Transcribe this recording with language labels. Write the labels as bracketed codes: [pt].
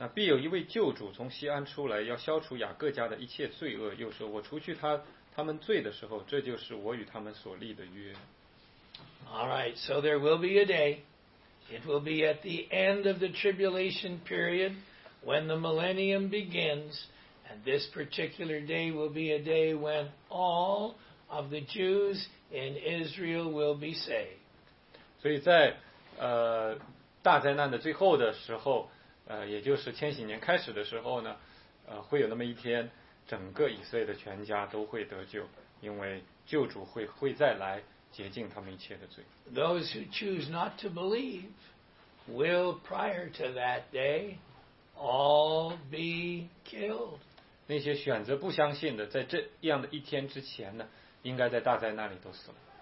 [zh] 那必有一位救主从锡安出来，要消除雅各家的一切罪恶。又说，我除去他们罪的时候，这就是我与他们所立的约。 [en] All right, so there will be a day. It will be at the end of the tribulation period when the millennium begins. And this particular day will be a day when all of the Jews in Israel will be saved. [zh] 所以在大灾难的最后的时候，也就是千禧年开始的时候呢，会有那么一天，整个以色列的全家都会得救，因为救主会再来洁净他们一切的罪。 [en] Those who choose not to believe will, prior to that day, all be killed. [zh] 那些选择不相信的，在这样的一天之前呢，应该在大灾难里都死了。